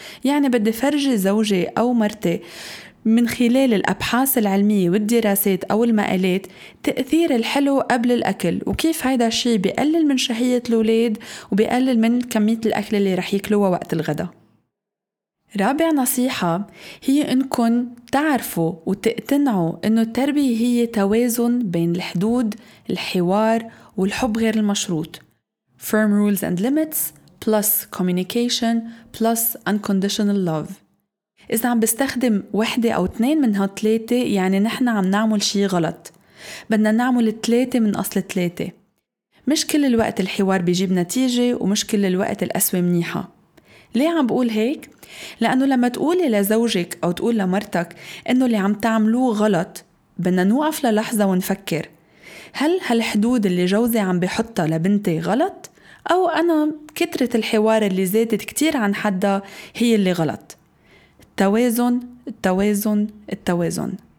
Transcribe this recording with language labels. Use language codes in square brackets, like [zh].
[ar] يعني بدي فرجي زوجي أو مرتي من خلال الأبحاث العلمية والدراسات أو المقالات تأثير الحلو قبل الأكل، وكيف هيدا الشيء بيقلل من شهية الولاد وبيقلل من كمية الأكل اللي رح يكلوها وقت الغداء. رابع نصيحة هي أنكن تعرفوا وتقتنعوا أنه التربية هي توازن بين الحدود، الحوار والحب غير المشروط. [en] Firm rules and limits plus communication plus unconditional love. [ar] إذا عم بستخدم واحدة أو اثنين من هالثلاثة يعني نحن عم نعمل شيء غلط. بدنا نعمل الثلاثة من أصل الثلاثة. مش كل الوقت الحوار بيجيب نتيجة، ومش كل الوقت القسوة منيحة. ليه عم بقول هيك؟ لأنه لما تقولي لزوجك أو تقول لمرتك إنه اللي عم تعملوه غلط، بدنا نوقف للحظة ونفكر هل هالحدود اللي جوزي عم بيحطها لبنتي غلط؟ أو أنا كترة الحوار اللي زادت كتير عن حدها هي اللي غلط؟ التوازن، التوازن، التوازن.